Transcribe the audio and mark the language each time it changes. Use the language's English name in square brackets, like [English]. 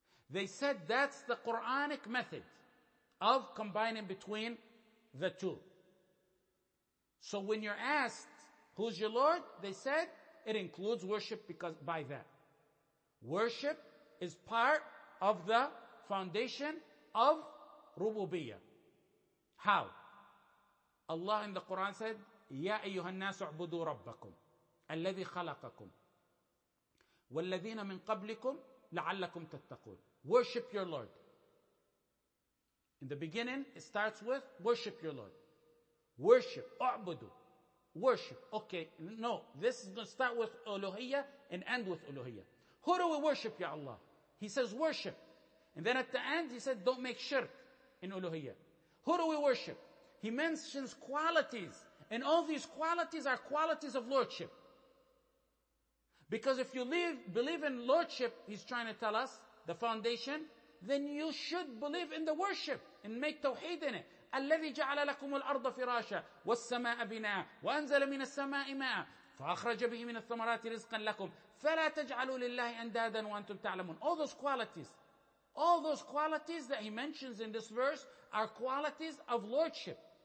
[English] They said that's the Quranic method of combining between the two. So when you're asked, who's your Lord? They said, it includes worship because by that. Worship is part of the foundation of Rububiyyah. How? Allah in the Quran said, [Arabic] يَا أَيُّهَا النَّاسُ اعْبُدُوا رَبَّكُمْ الَّذِي خَلَقَكُمْ وَالَّذِينَ مِنْ قَبْلِكُمْ لَعَلَّكُمْ تَتَّقُونَ. [English] Worship your Lord. In the beginning, it starts with worship your Lord. Worship, اعْبُدُوا. Worship. Okay, no. This is going to start with uluhiyyah and end with uluhiyyah. Who do we worship, Ya Allah? He says worship. And then at the end, he said don't make shirk in uluhiyyah. Who do we worship? He mentions qualities. And all these qualities are qualities of lordship. Because if you believe in lordship, he's trying to tell us, the foundation, then you should believe in the worship and make tawheed in it. [Arabic] الَّذِي جَعَلَ لَكُمُ الْأَرْضَ فِرَاشًا وَالسَّمَاءَ بِنَاءً وَأَنزَلَ مِنَ السَّمَاءِ مَاءً فأخرج به من الثمرات رزقا لكم فلا تجعلوا لله أندادا وأنتم تعلمون. [English] All those qualities, all those qualities that he mentions in this verse are qualities of lordship.